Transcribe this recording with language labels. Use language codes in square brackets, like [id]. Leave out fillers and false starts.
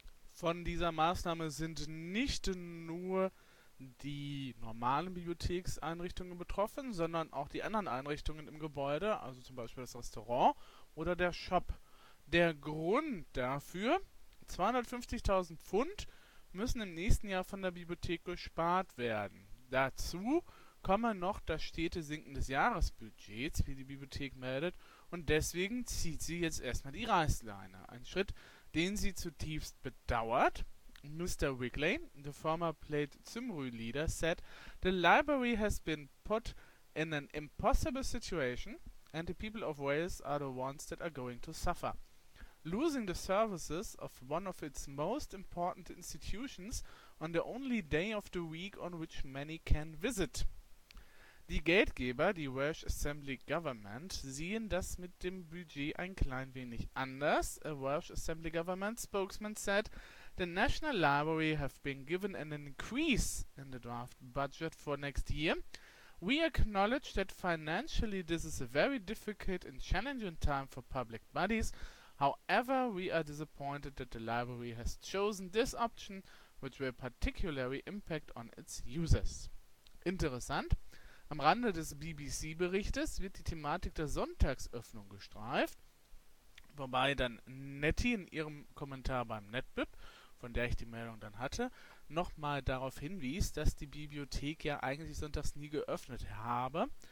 [de] Von dieser Maßnahme sind nicht nur die normalen Bibliothekseinrichtungen betroffen, sondern auch die anderen Einrichtungen im Gebäude, also zum Beispiel das Restaurant oder der Shop. Der Grund dafür, 250.000 Pfund müssen im nächsten Jahr von der Bibliothek gespart werden. Dazu kommen noch das stete Sinken des Jahresbudgets, wie die Bibliothek meldet, und deswegen zieht sie jetzt erstmal die Reißleine. Ein Schritt, den sie zutiefst bedauert. Mr. [en] Wigley, the former played Zimri leader, said, "The library has been put in an impossible situation, and the people of Wales are the ones that are going to suffer. Losing the services of one of its most important institutions on the only day of the week on which many can visit." [de] Die Geldgeber, die Welsh Assembly Government, sehen das mit dem Budget ein klein wenig anders. [en] A Welsh Assembly Government spokesman said, "The National Library have been given an increase in the draft budget for next year. We acknowledge that financially this is a very difficult and challenging time for public bodies. However, we are disappointed that the library has chosen this option, which will particularly impact on its users." [de] Interessant. Am Rande des BBC-Berichtes wird die Thematik der Sonntagsöffnung gestreift, wobei dann Nettie in ihrem Kommentar beim NetBib, von der ich die Meldung dann hatte, nochmal darauf hinwies, dass die Bibliothek ja eigentlich sonntags nie geöffnet habe.